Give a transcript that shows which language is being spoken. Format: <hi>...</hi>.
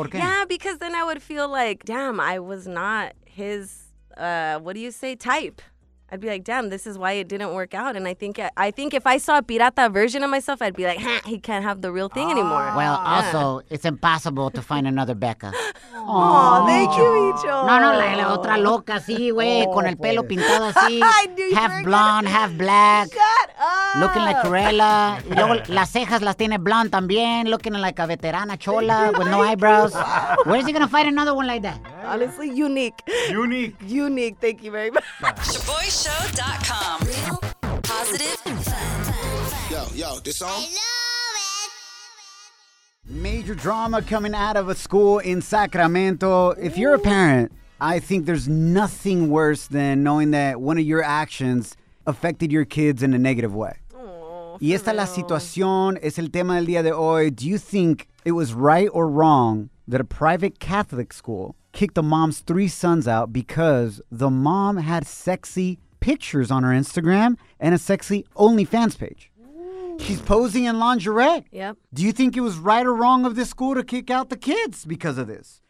<en>Yeah, because then I would feel like, damn, I was not his, type? I'd be like, damn, this is why it didn't work out. And I think if I saw a pirata version of myself, I'd be like, he can't have the real thing anymore. Well, also, it's impossible to find another Becca. Aww. Aww, thank you, Micho.</en> <es>No, la otra loca, sí, güey, con el pelo pintado así.</es> <en>Half blonde, half black. Shut up. Looking like Cruella.</en> <es>Luego, las cejas las tiene blonde también.</es> <en>Looking like a veterana chola with no eyebrows. Where is he going to find another one like that? Honestly, unique. Unique. Unique. Thank you very much. ShaboyShow.com. Real, positive, and fun. Yo, this song? I love it. Major drama coming out of a school in Sacramento. Ooh. If you're a parent, I think there's nothing worse than knowing that one of your actions affected your kids in a negative way. Aww,</en> <es>y esta es la situación, es el tema del día de hoy.</es> <en>Do you think it was right or wrong that a private Catholic school kicked the mom's 3 sons out because the mom had sexy pictures on her Instagram and a sexy OnlyFans page? She's posing in lingerie. Yep. Do you think it was right or wrong of this school to kick out the kids because of this?</en>